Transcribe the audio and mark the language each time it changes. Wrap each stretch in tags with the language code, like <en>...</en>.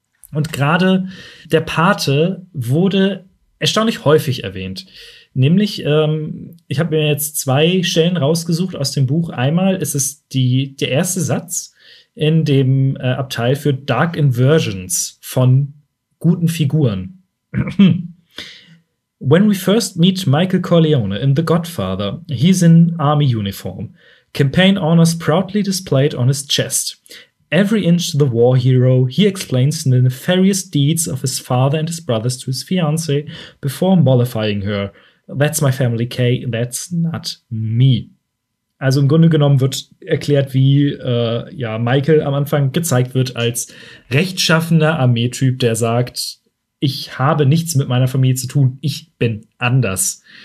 <de>Und gerade der Pate wurde erstaunlich häufig erwähnt. Nämlich, ich habe mir jetzt zwei Stellen rausgesucht aus dem Buch. Einmal ist es der erste Satz in dem Abteil für Dark Inversions von guten Figuren.</de> <en>When we first meet Michael Corleone in The Godfather, he's in army uniform. Campaign honors proudly displayed on his chest. Every inch the war hero, he explains the nefarious deeds of his father and his brothers to his fiancée before mollifying her. That's my family, Kay, that's not me.</en> <de>Also im Grunde genommen wird erklärt, wie Michael am Anfang gezeigt wird als rechtschaffender Armeetyp, der sagt, ich habe nichts mit meiner Familie zu tun, ich bin anders.</de>